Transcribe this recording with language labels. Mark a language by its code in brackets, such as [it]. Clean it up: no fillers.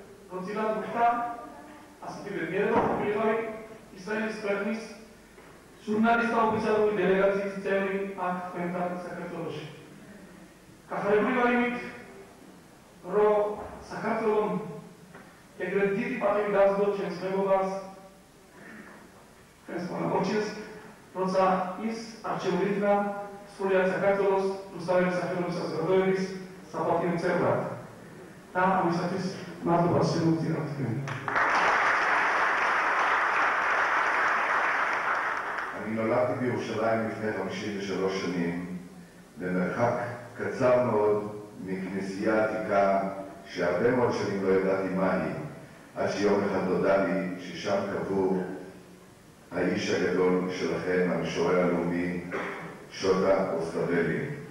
[ka] רוצילה דוקטה, עשיתי במיידו, מיידוי, ისრაელის ქვეყნის ჟურნალისტთა ოფიციალური დელეგაციის წევრი აქ თქვენთან საქართველოში. გახარებული ვარ იმით, რომ საქართველომ ეგრეთ დიდი პატივი დასდო ჩვენს მეგობარს, ჩვენს მონაკოჩეს, როცა ის არჩეული იქნა სრულიად საქართველოს რუსთაველი სახელმწიფო საზოგადოების საპატიო წევრად. და ამისათვის მადლობას შემოვწირავთ თქვენ. [he] אני נולדתי בירושלים לפני 53 שנים, במרחק קצר מאוד מכנסייה עתיקה שהרבה מאוד שנים לא ידעתי מה היא, עד שיום אחד נודע לי ששם קבור האיש הגדול שלכם, המשורר הלאומי, שוטה אוסטרבלי.